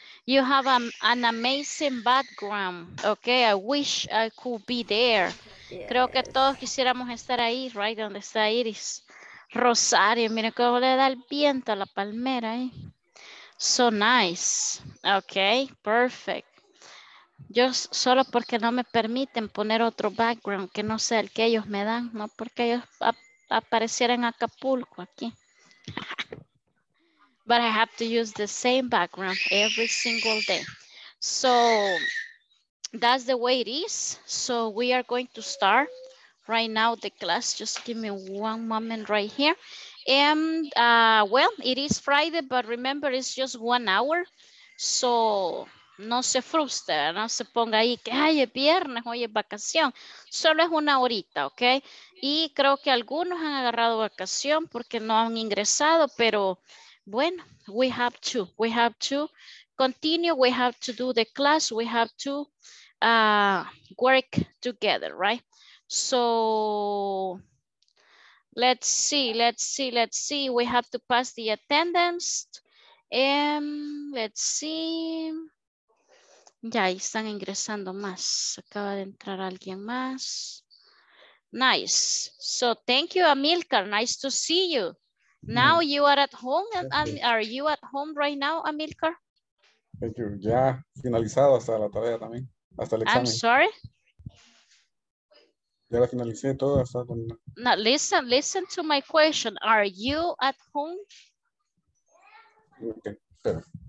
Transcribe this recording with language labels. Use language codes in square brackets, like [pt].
[en] You have an amazing background, okay? I wish I could be there. [es] Yes. Creo que todos quisiéramos estar ahí, right? Donde está Iris. Rosario, mira cómo le da el viento a la palmera ahí. [en] So nice. Okay, perfect. [es] Yo solo porque no me permiten poner otro background que no sea el que ellos me dan, no porque ellos aparecieran en Acapulco aquí. [en] But I have to use the same background every single day. So that's the way it is. So we are going to start right now the class. Just give me one moment right here. And well, it is Friday, but remember it's just 1 hour. [es] So no se frustre, no se ponga ahí que ay, es viernes, hoy es vacación. Solo es una horita, okay? Y creo que algunos han agarrado vacación porque no han ingresado, pero bueno, [en] we have to continue, we have to do the class, we have to work together, right? So let's see, we have to pass the attendance, and let's see, [es] ya están ingresando más, acaba de entrar alguien más, [en] nice, so thank you Amilcar, nice to see you. Now you are at home, and are you at home right now, Amilcar? Thank you. [es] Ya finalizado hasta la tarea también, hasta el examen. [en] I'm sorry. [es] Ya la finalicé todo hasta con. [en] Now listen to my question. Are you at home? [es] Okay. Espera.